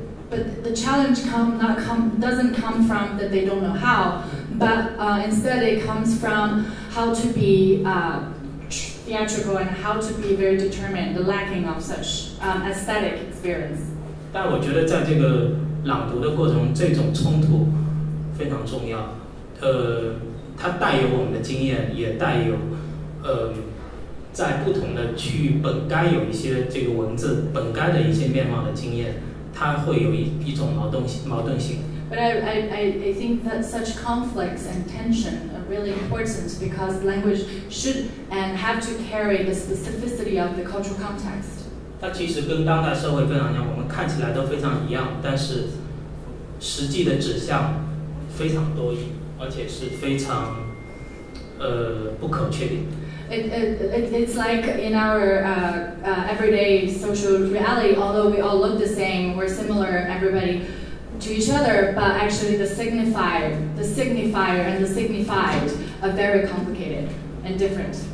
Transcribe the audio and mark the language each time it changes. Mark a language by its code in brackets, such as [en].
[en] But the challenge doesn't come from that they don't know how, but instead it comes from how to be theatrical and how to be very determined, the lacking of such aesthetic experience. [zh] 但我觉得在这个朗读的过程，这种冲突非常重要。它带有我们的经验，也带有在不同的区域本该有一些这个文字本该的一些面貌的经验。它会有一种矛盾性。 [en] But I think that such conflicts and tension are really important because language should and have to carry the specificity of the cultural context. [zh] 它其实跟当代社会非常像，我们看起来都非常一样，但是实际的指向非常多义，而且是非常不可确定。 [en] It's like in our everyday social reality, although we all look the same, we're similar, everybody, to each other, but actually the signifier and the signified are very complicated and different.